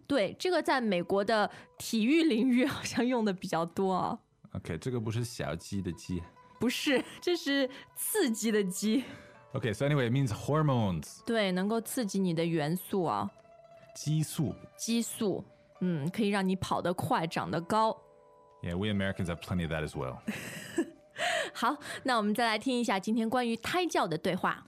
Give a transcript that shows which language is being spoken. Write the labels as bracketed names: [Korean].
[Chinese] 对，这个在美国的体育领域好像用的比较多啊。 OK, 这个不是小鸡的鸡。不是，这是刺激的鸡。 [English] OK, so anyway, it means hormones. [Chinese] 对，能够刺激你的元素啊。激素。激素，可以让你跑得快，长得高。 [English] Yeah, we Americans have plenty of that as well. [Chinese] 好，那我们再来听一下今天关于胎教的对话。